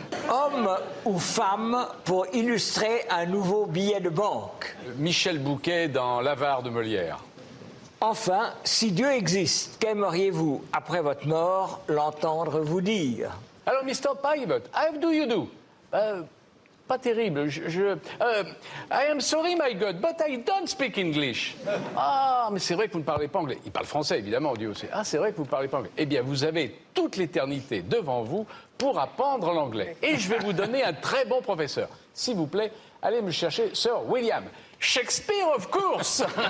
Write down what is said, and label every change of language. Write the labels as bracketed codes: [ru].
[fr] Homme ou femme pour illustrer un nouveau billet de banque ? Michel Bouquet dans L'avare de Molière. Enfin, si Dieu existe, qu'aimeriez-vous, après votre mort, l'entendre vous dire ? [en] Alors, Mr. Pagibot, how do you do ? [fr] pas terrible. [en] I am sorry, my God, but I don't speak English. [fr] Ah, mais c'est vrai que vous ne parlez pas anglais. Il parle français, évidemment, Dieu aussi. Ah, c'est vrai que vous ne parlez pas anglais. Eh bien, vous avez toute l'éternité devant vous pour apprendre l'anglais. Et je vais vous donner un très bon professeur. S'il vous plaît, allez me chercher Sir William. [en] Shakespeare, of course.